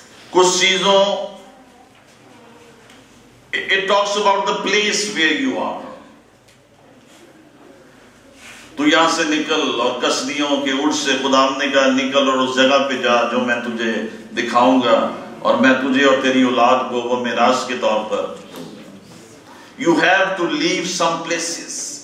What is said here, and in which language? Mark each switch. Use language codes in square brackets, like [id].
[ur] کچھ چیزوں, [en] it talks about the place where you are. [ur] تو یہاں سے نکل اور کسدیوں کے اوٹ سے خداوند نے کہا نکل اور اس جگہ پہ جا جو میں تجھے دکھاؤں گا اور میں تجھے اور تیری اولاد کو وہ میراث کے طور پر. [en] You have to leave some friends.